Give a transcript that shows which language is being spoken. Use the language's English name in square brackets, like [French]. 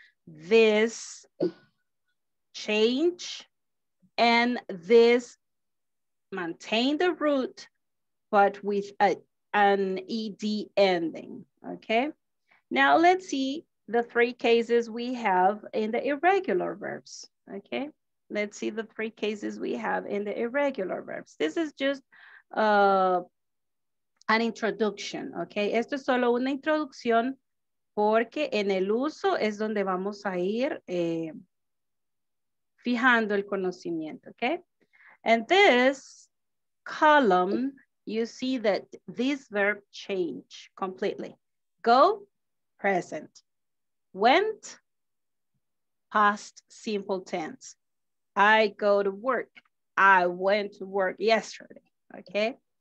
[English] This change and this maintain the root, but with an ed ending, okay? Now let's see the three cases we have in the irregular verbs, okay? Let's see the three cases we have in the irregular verbs. This is just an introduction, okay? [Spanish] Esto es solo una introducción porque en el uso es donde vamos a ir fijando el conocimiento, okay? [English] And this column, you see that this verb change completely. Go, present. Went, past simple tense. I go to work. I went to work yesterday, okay?